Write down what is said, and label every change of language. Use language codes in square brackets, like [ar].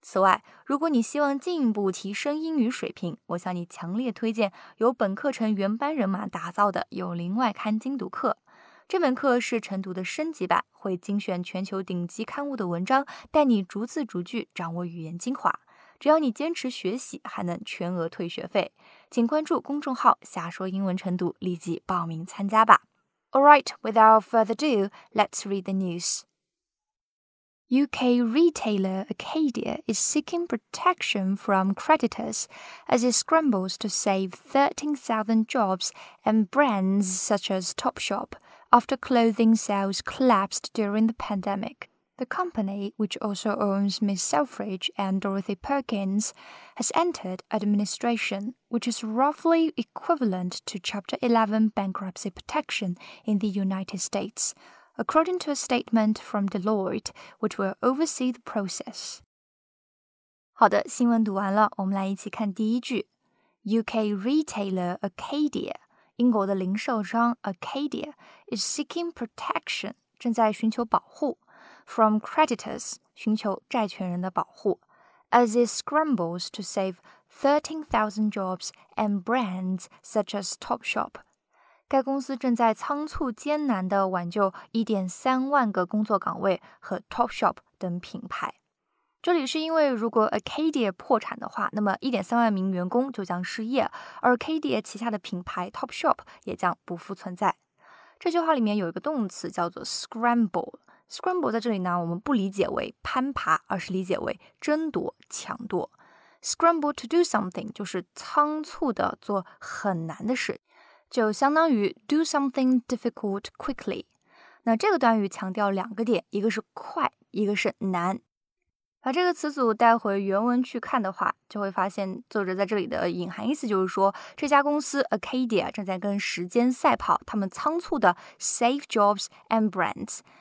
[zh] 此外，如果你希望进一步提升英语水平，我向你强烈推荐由本课程原班人马打造的《有灵外刊精读课》。这门课是晨读的升级版，会精选全球顶级刊物的文章，带你逐字逐句掌握语言精华。只要你坚持学习，还能全额退学费。请关注公众号“夏说英文晨读”，立即报名参加吧。 [en] Alright, without further ado, let's read the news. UK retailer Acadia is seeking protection from creditors as it scrambles to save 13,000 jobs and brands such as Topshop after clothing sales collapsed during the pandemic. The company, which also owns Miss Selfridge and Dorothy Perkins, has entered administration. Which is roughly equivalent to Chapter 11 bankruptcy protection in the United States, according to a statement from Deloitte, which will oversee the process. [zh] 好的，新闻读完了，我们来一起看第一句。 [en] UK retailer Acadia, [zh] 英国的零售商 [en] Acadia, is seeking protection, [zh] 正在寻求保护 [en] from creditors, [zh] 寻求债权人的保护 [en] as it scrambles to save 13,000 jobs and brands such as Topshop. [zh] 该公司正在仓促艰难地挽救 1.3 万个工作岗位和 Topshop 等品牌。这里是因为如果 Acadia 破产的话，那么 1.3 万名员工就将失业，而 Acadia 旗下的品牌 Topshop 也将不复存在。这句话里面有一个动词叫做 scramble。Scramble 在这里呢，我们不理解为攀爬，而是理解为争夺、抢夺。 [en] Scramble to do something [zh] 就是仓促的做很难的事，就相当于 [en] do something difficult quickly。 [zh] 那这个短语强调两个点，一个是快，一个是难。把这个词组带回原文去看的话，就会发现作者在这里的隐含意思就是说，这家公司 Acadia 正在跟时间赛跑，他们仓促的 [en] save jobs and brands。